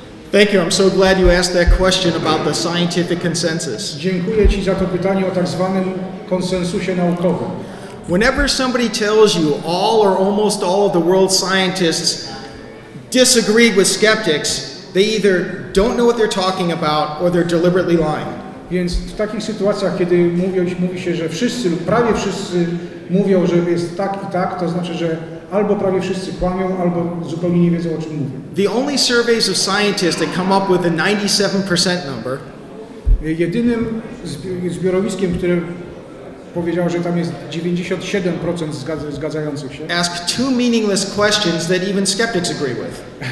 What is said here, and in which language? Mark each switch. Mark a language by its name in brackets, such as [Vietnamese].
[English] Thank you. I'm so glad you asked that question about the scientific consensus. [Polish] Dziękuję ci za to pytanie o tak zwanym konsensusie naukowym. [English] Whenever somebody tells you all or almost all of the world's scientists disagree with skeptics, they either don't know what they're talking about or they're deliberately lying. [Polish] Więc w takich sytuacjach, kiedy mówi się, że wszyscy lub prawie wszyscy mówią, że jest tak i tak, to znaczy, że albo prawie wszyscy kłamią, albo zupełnie nie wiedzą, o czym mówią. [English] The only surveys of scientists that come up with a 97% number. [Polish] Jedynym zbiorowiskiem, które powiedział, że tam jest 97% zgadzających się. [English] Ask two meaningless questions that even skeptics agree with.